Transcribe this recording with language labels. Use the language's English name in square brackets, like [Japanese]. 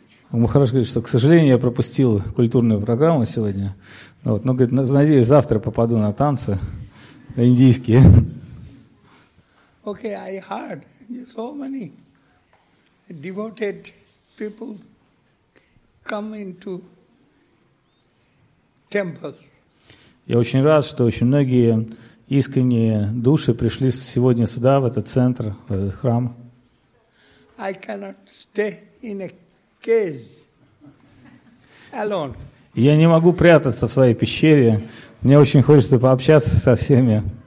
[Russian] Махараш говорит, что, к сожалению, я пропустил культурную программу сегодня. Вот. Но, говорит, надеюсь, завтра попаду на танцы индийские. [English] Okay, I heard so many devoted people come into temple. [Russian] Я очень рад, что очень многие искренние души пришли сегодня сюда, в этот центр, в этот храм. [English] I cannot stay in a cage. Alone. [Russian] Я не могу прятаться в своей пещере. Мне очень хочется пообщаться со всеми.